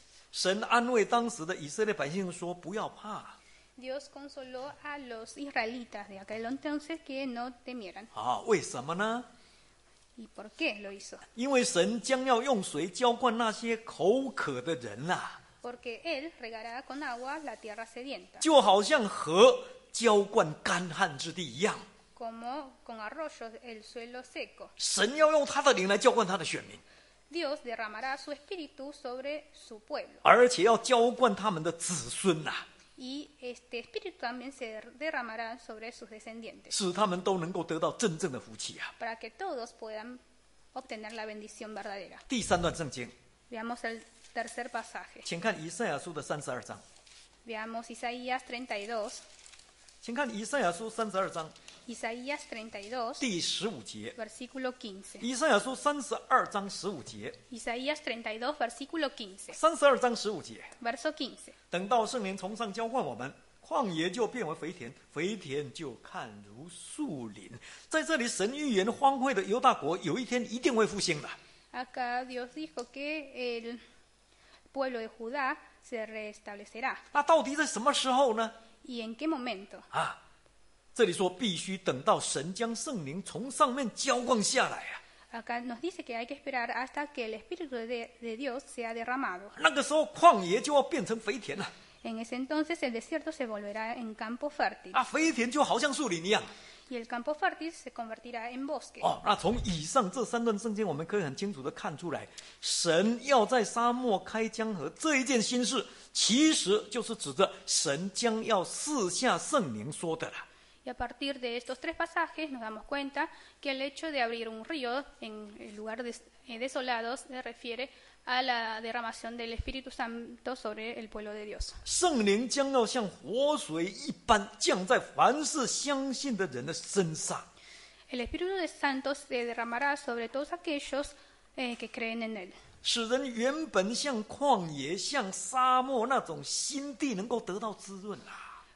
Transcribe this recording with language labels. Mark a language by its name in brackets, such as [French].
[Chinese] 神安慰当时的以色列百姓说：“不要怕。” [Spanish] Dios consoló a los israelitas de aquel entonces que no temieran. [Chinese] 啊，为什么呢？ [Spanish] ¿Y por qué lo hizo? [Chinese] 因为神将要用水浇灌那些口渴的人啊。 [Spanish] Porque él regará con agua la tierra sedienta. [Chinese] 就好像河浇灌干旱之地一样。 [Spanish] Como con arroyos el suelo seco. [Chinese] 神要用他的灵来浇灌他的选民。 [Spanish] Dios derramará su espíritu sobre su pueblo. [Chinese] 而且要浇灌他们的子孙啊。 [Spanish] Y este espíritu también se derramará sobre sus descendientes. [Chinese] 使他们都能够得到真正的福气啊。 [Spanish] Para que todos puedan obtener la bendición verdadera. [Chinese] 第三段圣经。 [Spanish] Veamos el tercer pasaje. [Chinese] 请看以赛亚书的三十二章。 [Spanish] Veamos Isaías 32. [Chinese] 请看以赛亚书三十二章。 [Spanish] Isaías 32. [Chinese] 第十五节。 [Spanish] Versículo 15. [Chinese] 以赛亚书三十二章十五节。 [Spanish] Isaías 32, versículo 15. [Chinese] 三十二章十五节。 [Spanish] Verso 15. [Chinese] 等到圣灵从上浇灌我们，旷野就变为肥田，肥田就看如树林。在这里神预言荒废的犹大国有一天一定会复兴的。 [Spanish] Acá Dios dijo que el pueblo de Judá se restablecerá. [Chinese] 那到底在什么时候呢？ [Spanish] Y en qué momento? [Chinese] 啊，这里说必须等到神将圣灵从上面浇灌下来啊。 [Spanish] Acá nos dice que hay que esperar hasta que el Espíritu de Dios sea derramado. [Chinese] 那个时候旷野就要变成肥田了。 [Spanish] En ese entonces el desierto se volverá en campo fértil. [Chinese] 啊，肥田就好像树林一样。 [Spanish] Y el campo fértil se convertirá en bosque. [Chinese] 哦，那从以上这三段圣经我们可以很清楚地看出来，神要在沙漠开江河这一件心事，其实就是指着神将要赐下圣灵说的了。 [Spanish] Y a partir de estos tres pasajes nos damos cuenta que el hecho de abrir un río en lugar de desolados se refiere a la derramación del Espíritu Santo sobre el pueblo de Dios. [Chinese] 圣灵将要像活水一般降在凡是相信的人的身上。 [Spanish] El Espíritu Santo se derramará sobre todos aquellos que creen en él. [Chinese] 使人原本像旷野、像沙漠那种心地能够得到滋润啊。